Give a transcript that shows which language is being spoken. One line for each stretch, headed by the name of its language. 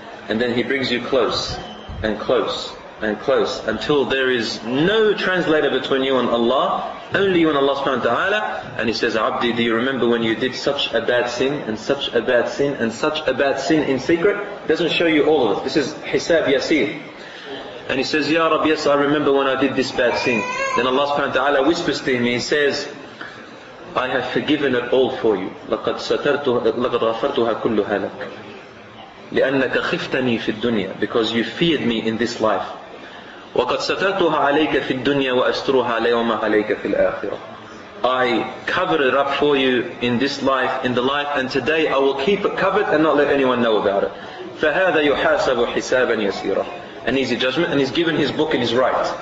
English: And then He brings you close, and close, and close, until there is no translator between you and Allah, only you and Allah subhanahu wa ta'ala, and He says, Abdi, do you remember when you did such a bad sin, and such a bad sin, and such a bad sin in secret? Doesn't show you all of it. This is Hisab Yasir. And He says, Ya Rabbi, yes, I remember when I did this bad sin. Then Allah subhanahu wa ta'ala whispers to Him, He says, I have forgiven it all for you.
Arabic: لَقَدْ سَتَرْتُهَا, لَقَدْ غَفَرْتُهَا كُلُّهَا لَكَ, لِأَنَّكَ خِفْتَنِي فِي الدُّنْيَا,
English: because you feared me in this life.
Arabic: وَقَدْ سَتَرْتُهَا عَلَيْكَ فِي الدُّنْيَا وَأَسْتُرُهَا لَيَوْمَ عَلَيْكَ فِي الْآخِرَةِ,
English: I covered it up for you in this life, in the life, and today I will keep it covered and not let anyone know about it.
Arabic: فَهَذَا يُحَاسَبُ حِسَابًا يَسِيرًا,
English: an easy judgment, and he's given his book and his right.